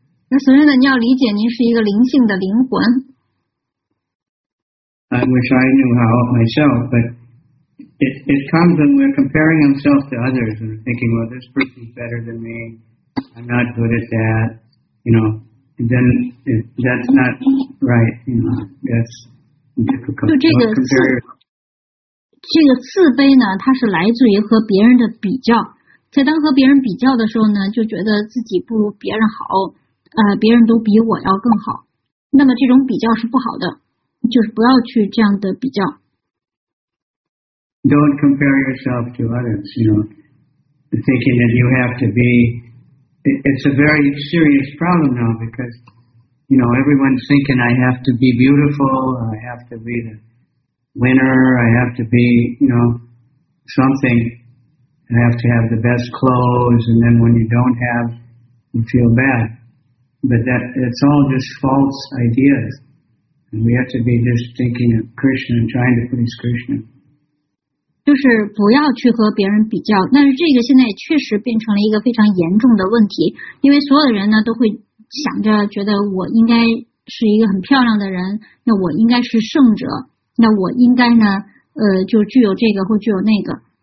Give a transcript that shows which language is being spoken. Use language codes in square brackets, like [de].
[zh] 那神圣的，你要理解，您是一个灵性的灵魂。 [en] I wish I knew how myself, but it comes when we're comparing ourselves to others and thinking, well, this person's better than me. I'm not good at that. You know, then that's not right. You know, that's difficult. [zh] 这个自卑呢，它是来自于和别人的比较。在当和别人比较的时候呢，就觉得自己不如别人好，别人都比我要更好。那么这种比较是不好的，就是不要去这样的比较。 [en] Don't compare yourself to others, you know, thinking that you have to be. It's a very serious problem now because, you know, everyone's thinking I have to be beautiful, I have to be the winner, I have to be, you know, something. I have to have the best clothes, and then when you don't have, you feel bad. But that's all just false ideas. And we have to be just thinking of Krishna and trying to please Krishna. [zh] 就是不要去和别人比较，但是这个现在确实变成了一个非常严重的问题，因为所有的人呢都会想着觉得我应该是一个很漂亮的人，那我应该是圣者，那我应该呢就具有这个或具有那个。